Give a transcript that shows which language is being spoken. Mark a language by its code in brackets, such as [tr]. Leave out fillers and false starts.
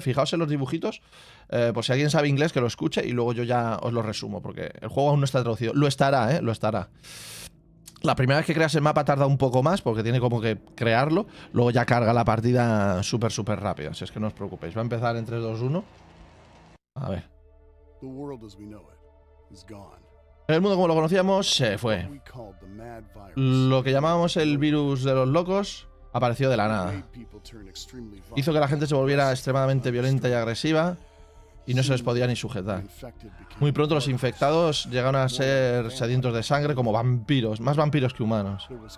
[es] Fijaos en los dibujitos, por si alguien sabe inglés que lo escuche y luego yo ya os lo resumo, porque el juego aún no está traducido, lo estará, ¿eh? Lo estará. La primera vez que creas el mapa tarda un poco más porque tiene como que crearlo. Luego ya carga la partida súper, súper rápido. Así es que no os preocupéis. Va a empezar en 3, 2, 1. A ver. [en] The world as we know it is gone. [es] El mundo como lo conocíamos se fue. Lo que llamábamos el virus de los locos apareció de la nada. Hizo que la gente se volviera extremadamente violenta y agresiva. Y no se les podía ni sujetar. Muy pronto los infectados llegaron a ser sedientos de sangre como vampiros, más vampiros que humanos.